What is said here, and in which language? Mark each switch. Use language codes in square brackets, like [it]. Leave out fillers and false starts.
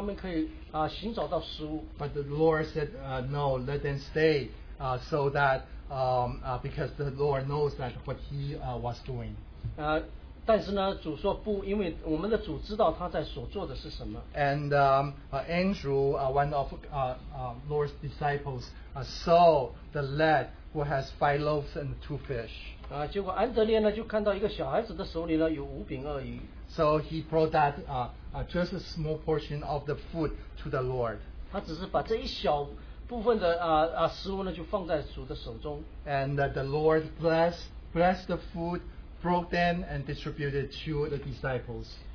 [zh] 甚至他的门徒呢说，你可以呢把他们散到四周的村庄里面，好让他们可以寻找到食物。 [en] But the Lord said, no, let them stay, so that because the Lord knows that what he was doing. [zh] 但是呢，主说不，因为我们的主知道他在所做的是什么。 [en] And Andrew, one of Lord's disciples, saw the lad who has five loaves and two fish. [zh] 结果安德烈呢，就看到一个小孩子的手里呢有五饼二鱼。 [en] So he brought that just a small portion of the food to the Lord. [zh] 他只是把这一小部分的食物呢就放在主的手中。 [en] And the Lord blessed the food, broke them and distributed to the disciples.